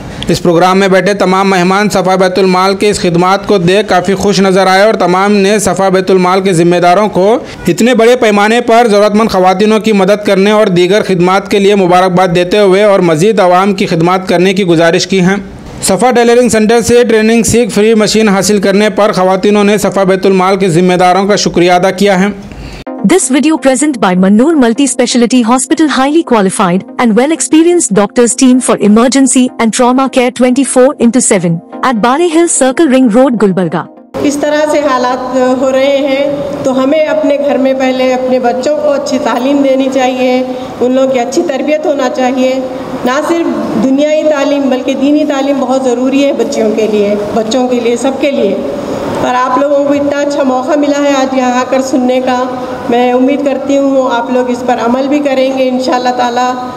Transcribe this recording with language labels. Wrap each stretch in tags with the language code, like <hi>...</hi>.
<hi>इस प्रोग्राम में बैठे तमाम मेहमान सफा बैतुल माल के इस खिदमात को देख काफ़ी खुश नज़र आए और तमाम ने सफा बैतुल माल के जिम्मेदारों को इतने बड़े पैमाने पर ज़रूरतमंद ख्वातीनों की मदद करने और दीगर खिदमात के लिए मुबारकबाद देते हुए और मज़ीद आवाम की खिदमात करने की गुजारिश की है। सफ़ा टेलरिंग सेंटर से ट्रेनिंग सीख फ्री मशीन हासिल करने पर ख्वातीनों ने सफ़ा बैतुल माल के जिम्मेदारों का शुक्रिया अदा किया है।</hi> <en>This video present by Mannur Multi Speciality Hospital, highly qualified and well experienced doctors team for emergency and trauma care 24/7 at Bare Hill Circle Ring Road Gulbarga.</en> <hi>इस तरह से हालात हो रहे हैं तो हमें अपने घर में पहले अपने बच्चों को अच्छी तालीम देनी चाहिए, उन लोगों की अच्छी तरबियत होना चाहिए। ना सिर्फ दुनियाई तालीम बल्कि दीनी तालीम बहुत ज़रूरी है बच्चों के लिए सबके लिए। पर आप लोगों को इतना अच्छा मौका मिला है आज यहाँ आकर सुनने का, मैं उम्मीद करती हूँ आप लोग इस पर अमल भी करेंगे इंशाल्लाह ताला।</hi>